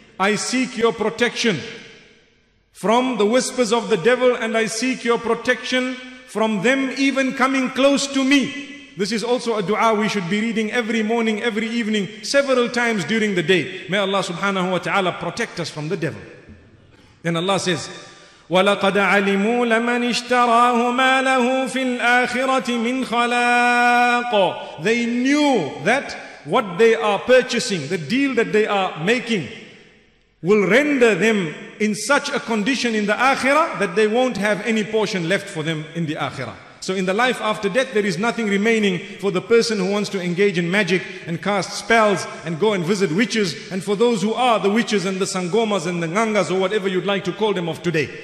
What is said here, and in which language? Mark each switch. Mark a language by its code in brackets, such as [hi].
[en] I seek your protection from the whispers of the devil, and I seek your protection from them even coming close to me. This is also a dua we should be reading every morning, every evening, several times during the day. May Allah subhanahu wa ta'ala protect us from the devil. Then Allah says, [ar] وَلَقَدْ عَلِمُوا لَمَنِ اشْتَرَاهُ مَا لَهُ فِي الْآخِرَةِ مِنْ خَلَاقٍ. [en] They knew that what they are purchasing, the deal that they are making, will render them in such a condition in the Akhirah that they won't have any portion left for them in the Akhirah. So in the life after death, there is nothing remaining for the person who wants to engage in magic and cast spells and go and visit witches, and for those who are the witches and the sangomas and the ngangas or whatever you'd like to call them of today.